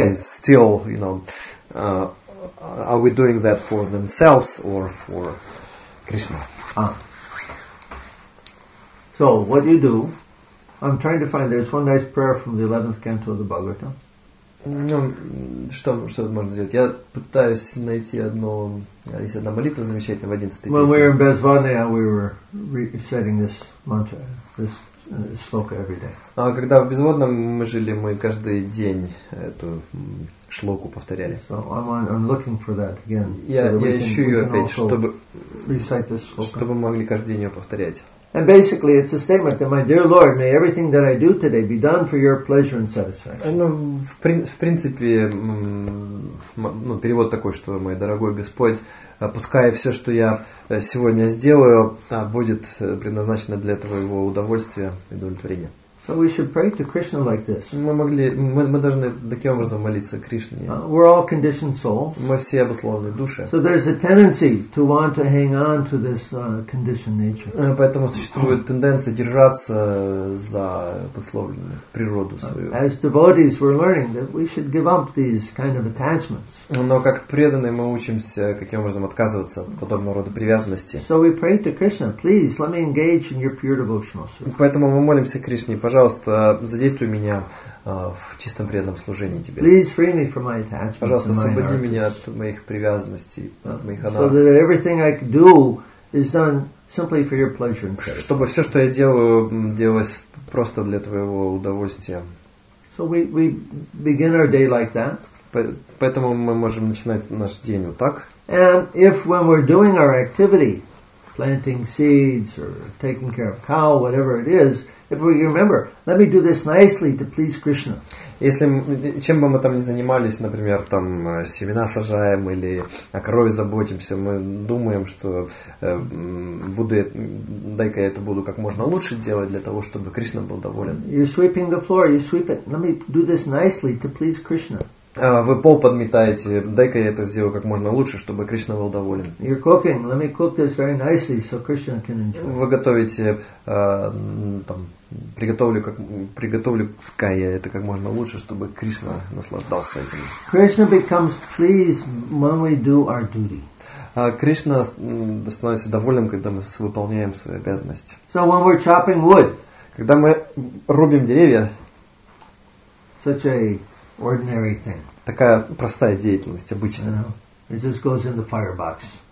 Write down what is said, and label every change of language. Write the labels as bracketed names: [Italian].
[English] okay. is still, you know, are we doing that for themselves or for Krishna? So what do you do? I'm trying to find, there's one nice prayer from the 11th canto of the Bhagavatam. [Russian] Ну, что это можно сделать? Я пытаюсь найти одно, есть одна молитва замечательная в 11-й песне. [English] When we were in Безвана, we were reciting this mantra, this shloka every day. [Russian] А когда в Безводном мы жили, мы каждый день эту шлоку повторяли. [English] So I'm looking for that again. [Russian] Я ищу ее опять, чтобы могли каждый день ее повторять. [English] And basically, it's a statement that, my dear Lord, may everything that I do today be done for your pleasure and satisfaction. [Russian] Ну, в принципе, ну, перевод такой, что, мой дорогой Господь, пускай все, что я сегодня сделаю, будет предназначено для твоего удовольствия и удовлетворения. [English] So we should pray to Krishna like this. [Russian] Мы должны таким образом молиться Кришне. [English] We're all conditioned souls. [Russian] Мы все обусловленные души. [English] So there's a tendency to want to hang on to this conditioned nature. [Russian] Поэтому существует тенденция держаться за обусловленную природу свою. [English] As devotees, we're learning that we should give up these kind of attachments. [Russian] Но как преданные мы учимся каким образом отказываться от подобного рода привязанности. [English] So we pray to Krishna, please let me engage in your pure devotional service. [Russian] Поэтому мы молимся Кришне. Пожалуйста, задействуй меня в чистом преданном служении тебе. [English] Please free me from my attachments. [Russian] Пожалуйста, освободи меня от моих привязанностей, от моих анарх. [English] So that everything I do is done simply for your pleasure. [Russian] Чтобы все, что я делаю, делалось просто для твоего удовольствия. [English] So we begin our day like that. [Russian] Поэтому мы можем начинать наш день вот так. [English] And if when we're doing our activity, planting seeds or taking care of cow, whatever it is. If we remember, let me do this nicely to please Krishna. [Russian] если чем бы мы там ни занимались, например, там семена сажаем или о корове заботимся, мы думаем, что дай-ка я это буду как можно лучше делать для того, чтобы Кришна был доволен. [English] You're sweeping the floor, you sweep it. Let me do this nicely to please Krishna. [Russian] Вы пол подметаете, дай-ка я это сделаю как можно лучше, чтобы Кришна был доволен. [English] You're cooking, let me cook this very nicely, so Krishna can enjoy. [Russian] Вы готовите, приготовлю-ка я это как можно лучше, чтобы Кришна наслаждался этим. [English] Krishna becomes pleased when we do our duty. [Russian] Кришна становится доволен, когда мы выполняем свою обязанность. [English] So when we're chopping wood. [Russian] Когда мы рубим деревья. [English] Such a ordinary thing. [Russian] Такая простая деятельность, обычная. [English] You know, it just goes in the firebox.